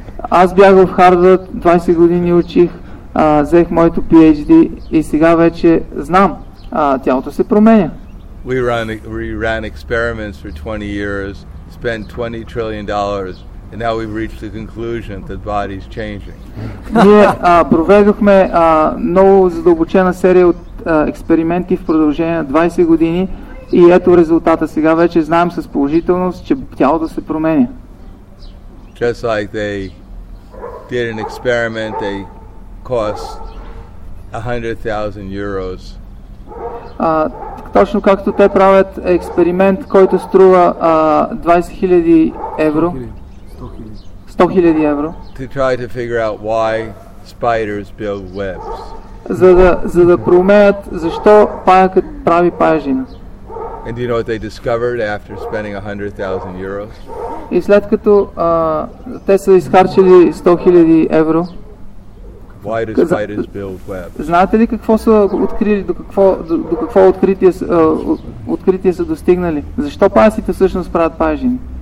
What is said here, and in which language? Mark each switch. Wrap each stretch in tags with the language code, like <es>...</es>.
<bg>Аз бях в Харвард 20 години учих. Взех моето PhD и сега вече знам, тялото се променя.</bg> <en>We ran experiments for 20 years, spent $20 trillion, and now we've reached the conclusion that the body's changing.</en> <bg>Ние проведохме много задълбочена серия от експерименти в продължение на 20 години и ето резултата. Сега вече знаем с положителност, че тялото се променя.</bg> <en>Just like they did an experiment, they cost €100,000.</en> <bg>Точно както те правят експеримент, който струва 20 000 евро. 100 000 евро.</bg> <en>To try to figure out why spiders build webs.</en> <bg>За да проумеят защо паякът прави паяжина.</bg> <en>And do you know what they discovered after spending €100,000?</en> <bg>И след като те са изхарчили 100 000 евро.</bg> <en>Why do spiders build webs?</en> <bg>Знаете ли какво са открили, до какво откритие са достигнали? Защо паясите всъщност правят паяжини?</bg>